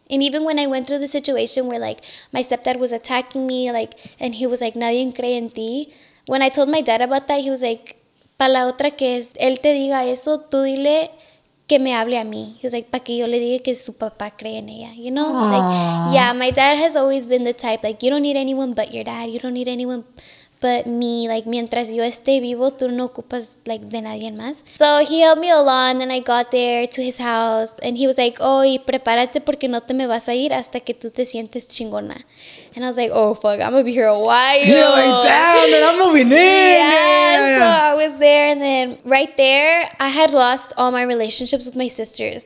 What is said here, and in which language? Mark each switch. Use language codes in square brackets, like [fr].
[en] And even when I went through the situation where like my stepdad was attacking me, like, and he was like, [es] nadie cree en ti. [en] When I told my dad about that, he was like, [es] para la otra que es, él te diga eso, tú dile que me hable a mí. [en] He's like, [es] para que yo le diga que su papá cree en ella, [en] you know? Aww. Like, yeah, my dad has always been the type, like, you don't need anyone but your dad. You don't need anyone but me. [es] Like, mientras yo esté vivo, tú no ocupas, like, de nadie más. [en] So he helped me a lot, and then I got there to his house, and he was like, oh, [es] y prepárate porque no te me vas a ir hasta que tú te sientes chingona. [en] And I was like, oh, fuck, I'm going to be here a while. You're like, damn, and I'm moving in. Yeah, so I was there. And then right there, I had lost all my relationships with my sisters.